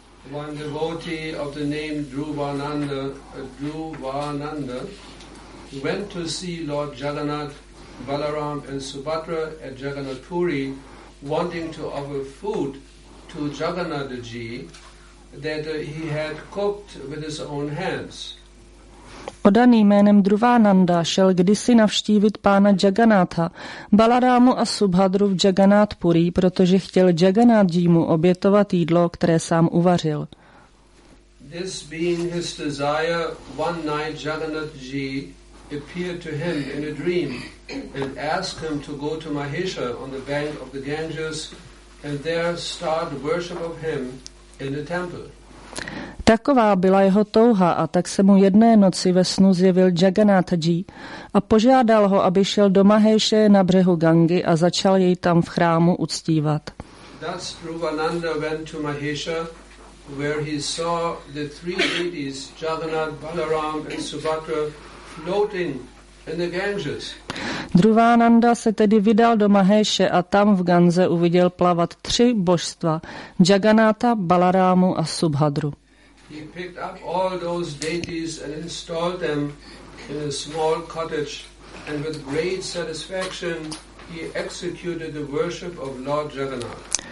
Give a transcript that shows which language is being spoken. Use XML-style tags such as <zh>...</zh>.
<en>One devotee of the name Dhruvananda, Dhruvananda went to see Lord Jagannath, Balaram and Subhadra at Jagannath Puri, wanting to offer food to Jagannath Ji that he had cooked with his own hands.</en> <cs>Odaný jménem Dhruvananda šel kdysi navštívit pána Jagannatha, Balarámu a Subhadru v Jagannath Puri, protože chtěl Jagannath Ji mu obětovat jídlo, které sám uvařil.</cs> <en>This being his desire, one night Jagannath Ji appeared to him in a dream and asked him to go to Mahesha on the bank of the Ganges and there start worship of him in the temple.</en> <cs>Taková byla jeho touha a tak se mu jedné noci ve snu zjevil Jagannath Ji a požádal ho, aby šel do Maheshe na břehu Gangy a začal jej tam v chrámu uctívat.</cs> <en>Thus Dhruvananda went to Mahesha where he saw the three deities Jagannath, Balaram and Subhadra floating in the Ganges.</en> <cs>Dhruvananda se tedy vydal do Maheshe a tam v Ganze uviděl plavat tři božstva, Jagannatha, Balarámu a Subhadru.</cs> <en>He picked up all those deities and installed them in a small cottage and with great satisfaction he executed the worship of Lord Jagannath.</en>